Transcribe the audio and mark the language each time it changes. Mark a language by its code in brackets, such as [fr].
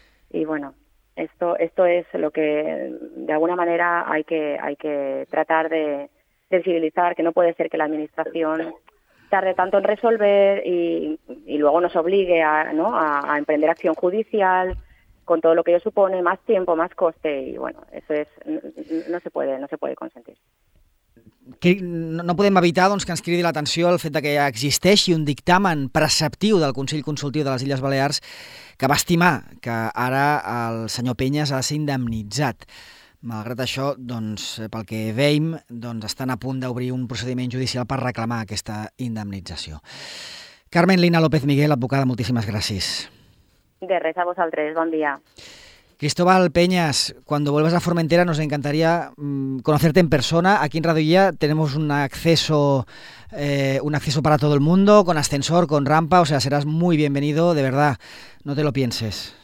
[es] Y bueno, esto es lo que de alguna manera hay que tratar de sensibilizar, que no puede ser que la administración tarde tanto en resolver y luego nos obligue a, ¿no?, a emprender acción judicial con todo lo que ello supone, más tiempo, más coste, y bueno, eso es, no se puede consentir. [ca] No podem evitar, doncs, que ens cridi l'atenció el fet que ja existeixi un dictamen preceptiu del Consell Consultiu de les Illes Balears que va estimar que ara el senyor Penyes ha de ser indemnitzat. Malgrat això, doncs, pel que veiem, doncs, estan a punt d'obrir un procediment judicial per reclamar aquesta indemnització. Carmen Lina López Miguel, advocada, moltíssimes gràcies. De res a vosaltres, bon dia. [es] Cristóbal Peñas, cuando vuelvas a Formentera nos encantaría conocerte en persona. Aquí en Radio Illa tenemos un acceso para todo el mundo, con ascensor, con rampa, o sea, serás muy bienvenido, de verdad, no te lo pienses.